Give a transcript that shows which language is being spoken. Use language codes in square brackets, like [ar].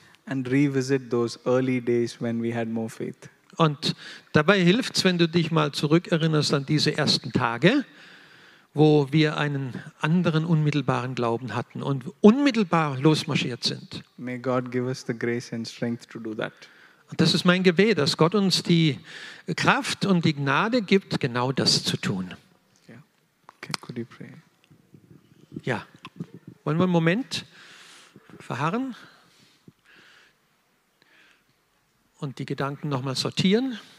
[en] And revisit those early days when we had more faith. [de] Und dabei hilft's, wenn du dich mal zurückerinnerst an diese ersten Tage, wo wir einen anderen unmittelbaren Glauben hatten und unmittelbar losmarschiert sind. [en] May God give us the grace and strength to do that. [de] Und das ist mein Gebet, dass Gott uns die Kraft und die Gnade gibt, genau das zu tun. [en] Yeah. Okay, could you pray? [de] Ja, wollen wir einen Moment verharren und die Gedanken nochmal sortieren?